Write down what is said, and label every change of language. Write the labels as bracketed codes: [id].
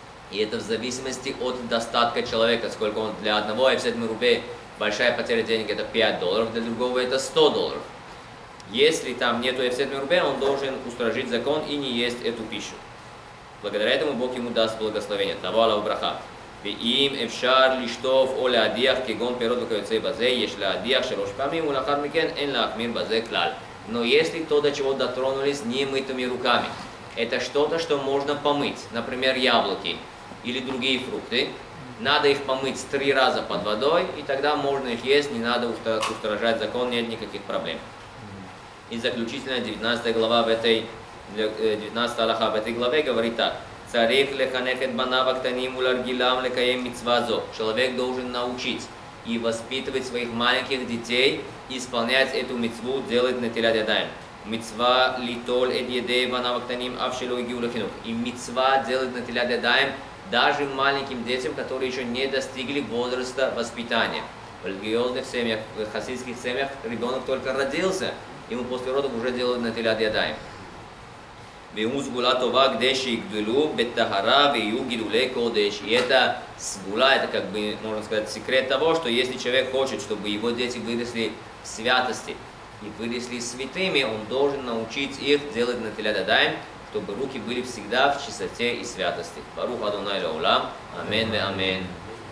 [ru] И это в зависимости от достатка человека. Сколько он для одного эфсед мерубе, большая потеря денег — это $5, для другого это $100. Если там нету эфсед мерубе, он должен устражить закон и не есть эту пищу. Благодаря этому Бог ему даст благословение. [he] Тавала браха. ואם אפשר לשטוף או להדיח כגון פירות וכיוצא בזה, יש להדיח שלוש פעמים, ולאחר מכן אין להחמיר בזה כלל. [ru] Но если то, до чего дотронулись немытыми руками, это что-то, что можно помыть, например, яблоки или другие фрукты, надо их помыть 3 раза под водой, и тогда можно их есть, не надо устражать закон, нет никаких проблем. И заключительно 19 глава в этой, 19 алаха в этой главе говорит так: [he] צריך לחנך את בניו הקטנים ולרגילם לקיים מצווה זו. [ru] Человек должен научить и воспитывать своих маленьких детей исполнять эту мицву, делать натилят ядаем. [he] Мицва литол эт едей банав актаним аф шело игиу лахинух. [ru] И мицва делать натилят ядаем даже маленьким детям, которые еще не достигли возраста воспитания. В религиозных семьях, в хасидских семьях ребенок только родился, ему после родов уже делают натилят ядаем. [he] והוא סגולה טובה כדי שיגדלו בטהרה ויהיו גידולי קודש. [ru] И это сгула, это как бы, можно сказать, секрет того, что если человек хочет, чтобы его дети выросли в святости и выросли святыми, он должен научить их делать натилят ядайм, чтобы руки были всегда в чистоте и святости. [he] Барух Адонай Леолам. Амен ве амен.